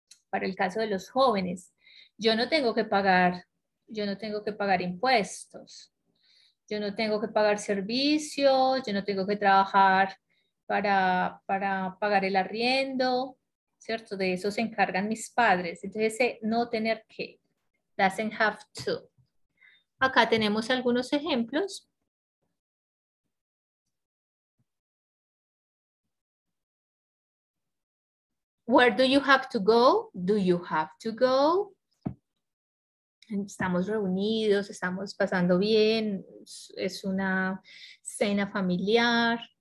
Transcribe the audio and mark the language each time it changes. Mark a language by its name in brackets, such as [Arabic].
[Spanish] Para el caso de los jóvenes, yo no tengo que pagar impuestos, yo no tengo que pagar servicios, yo no tengo que trabajar para pagar el arriendo, ¿cierto? De eso se encargan mis padres. Entonces, no tener que, [English] doesn't have to. [Spanish] Acá tenemos algunos ejemplos. [English] Where do you have to go? Do you have to go? [Spanish] Estamos reunidos, estamos pasando bien, es una cena familiar.